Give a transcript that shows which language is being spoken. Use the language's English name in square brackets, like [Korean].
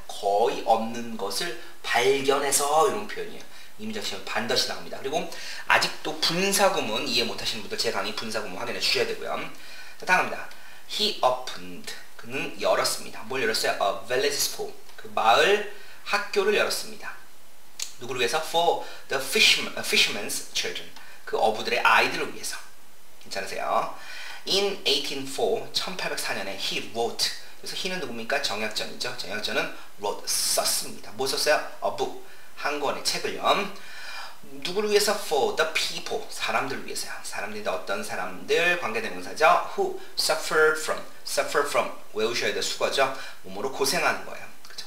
[Korean] 거의 없는 것을 발견해서 이런 표현이에요. 임의적 시험 반드시 나옵니다. 그리고 아직도 분사구문 이해 못하시는 분들 제 강의 분사구문 확인해 주셔야 되고요. 자, 다음입니다. [English] He opened. [Korean] 그는 열었습니다. 뭘 열었어요? [English] A village school. [Korean] 그 마을 학교를 열었습니다. 누구를 위해서? [English] For the fisherman's children. [Korean] 그 어부들의 아이들을 위해서. 괜찮으세요? [English] In 1804, [Korean] 1804년에 [English] he wrote. [Korean] 그래서 he는 누굽니까? 정약전이죠. 정약전은 [English] wrote, [Korean] 썼습니다. 뭐 썼어요? [English] A book. [Korean] 한 권의 책을요. 누구를 위해서? [English] For the people. [Korean] 사람들을 위해서요. 사람들인데 어떤 사람들 관계대명사죠? [English] Who suffered from. suffer from [Korean] 외우셔야 될 수거죠 몸으로 고생하는 거예요 그쵸?